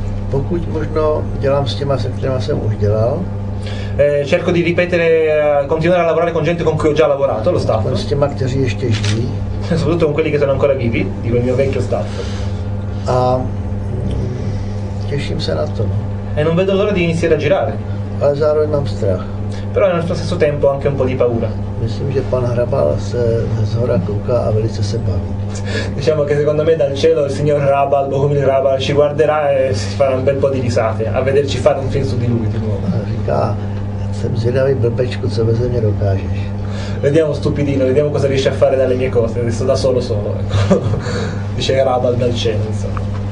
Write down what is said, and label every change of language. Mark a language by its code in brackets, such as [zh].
[cs] Pokud možno dělám s těma, se kterýma jsem už dělal. [it] Cerco di ripetere, continuare a lavorare con gente con cui ho già lavorato, lo staff. [cs] S těma, kteří ještě žijí. [it] Soprattutto con quelli che sono ancora vivi, di quel mio vecchio staff. [cs] A těším se na to. [it] E non vedo l'ora di iniziare a girare. [cs] Ale zároveň mám strach. [it] Però nello stesso tempo anche un po' di paura. [cs] Myslím, že pan Hrabal se z hora kouká a velice se baví. [it] Diciamo che secondo me dal cielo il signor Hrabal, Bohumil Hrabal, ci guarderà e si farà un bel po' di risate a vederci fare un film su di lui di nuovo. [cs] Říká, jsem zvědavý blbečku, co ve mě dokážeš. [it] Vediamo stupidino, vediamo cosa riesci a fare dalle mie cose, adesso da solo. Dice Hrabal dal cielo, insomma.